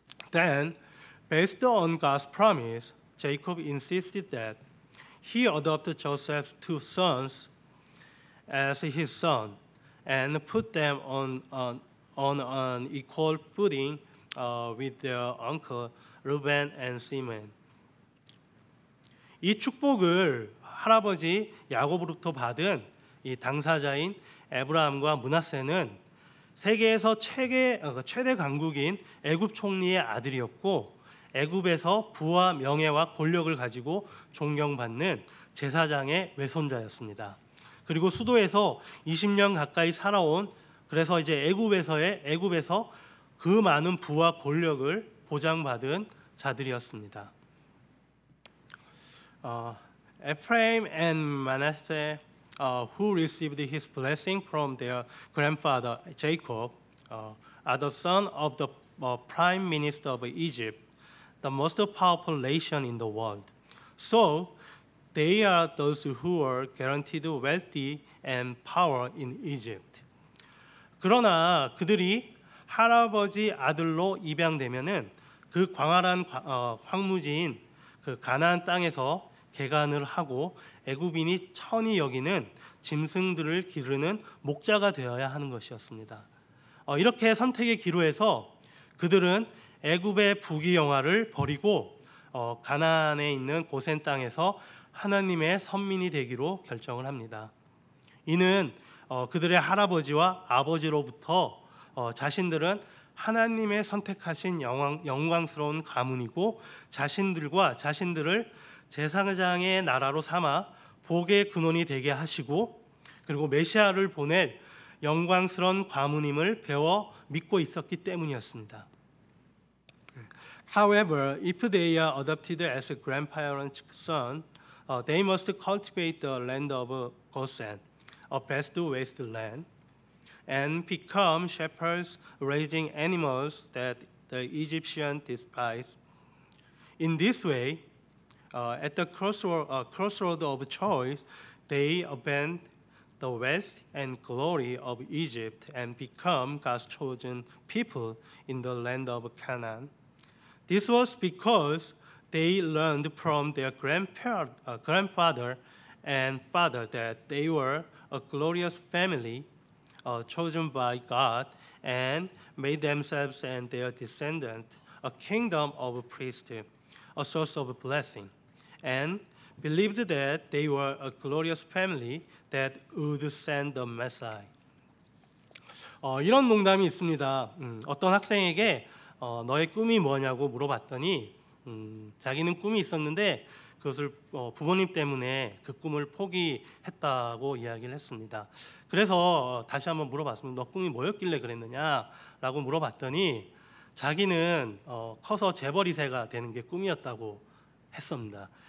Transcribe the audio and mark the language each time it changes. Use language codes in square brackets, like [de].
[en] Then, based on God's promise, Jacob insisted that he adopt Joseph's two sons as his son and put them on an equal footing with their uncle Reuben and Simeon. [ko] 이 축복을 할아버지 야곱으로부터 받은 이 당사자인 에브라함과 므낫세는 세계에서 최대 강국인 애굽 총리의 아들이었고 애굽에서 부와 명예와 권력을 가지고 존경받는 제사장의 외손자였습니다. 그리고 수도에서 20년 가까이 살아온, 그래서 이제 애굽에서 그 많은 부와 권력을 보장받은 자들이었습니다. [en] 에프레임 and Manasseh who received his blessing from their grandfather Jacob are the son of the prime minister of Egypt, the most powerful nation in the world. So they are those who were guaranteed wealthy and power in Egypt. [ko] 그러나 그들이 할아버지 아들로 입양되면은 그 광활한 황무지인 그 가나안 땅에서 개간을 하고 애굽인이 천히 여기는 짐승들을 기르는 목자가 되어야 하는 것이었습니다. 이렇게 선택의 기로에서 그들은 애굽의 부귀 영화를 버리고 가나안에 있는 고센 땅에서 하나님의 선민이 되기로 결정을 합니다. 이는 그들의 할아버지와 아버지로부터 자신들은 하나님의 선택하신 영광스러운 가문이고 자신들과 자신들을 제사장의 나라로 삼아 복의 근원이 되게 하시고 그리고 메시아를 보낼 영광스러운 가문임을 배워 믿고 있었기 때문이었습니다. [en] However, if they are adopted as a grandparents' son, they must cultivate the land of Goshen, a vast wasteland, and become shepherds raising animals that the Egyptians despise. In this way, at the crossroad of choice, they abandon the wealth and glory of Egypt and become God's chosen people in the land of Canaan. This was because they learned from their grandfather and father that they were a glorious family chosen by God and made themselves and their descendants a kingdom of priests, a source of blessing, and believed that they were a glorious family that would send the Messiah. [ko] 이런 농담이 있습니다. 어떤 학생에게 너의 꿈이 뭐냐고 물어봤더니 자기는 꿈이 있었는데 그것을 부모님 때문에 그 꿈을 포기했다고 이야기를 했습니다. 그래서 다시 한번 물어봤습니다. 너 꿈이 뭐였길래 그랬느냐라고 물어봤더니 자기는 커서 재벌 2세가 되는 게 꿈이었다고 했습니다.